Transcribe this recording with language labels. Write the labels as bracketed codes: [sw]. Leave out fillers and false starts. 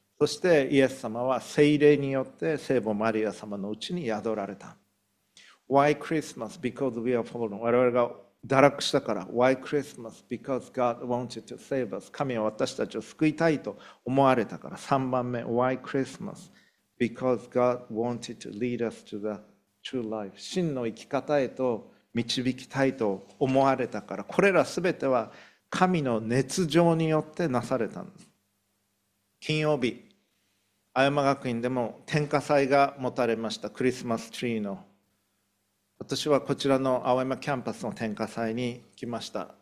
[ja] そしてイエス様は聖霊によって聖母マリア様のうちに宿られた。 [en] Why Christmas? Because we are fallen. [ja] 我々が堕落したから。 [en] Why Christmas? Because God wanted to save us. [ja] 神は私たちを救いたいと思われたから。 3番目、 [en] Why Christmas? Because God wanted to lead us to the true life. [ja] 真の生き方へと導きたいと思われたから。これらすべては神の熱情によってなされたんです。金曜日、青山学院でも点火祭が持たれました。クリスマスツリーの、私はこちらの青山キャンパスの点火祭に来ました。